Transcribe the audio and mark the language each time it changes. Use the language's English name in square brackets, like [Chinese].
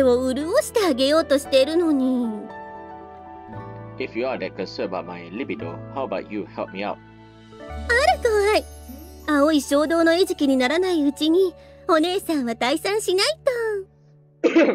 [Japanese] 人がせっかく女性関係を潤してあげようとしてるのに. [English] If you are that concerned about my libido, how about you help me out? [Japanese] ある怖い! 青い衝動の餌食にならないうちに、お姉さんは退散しないと!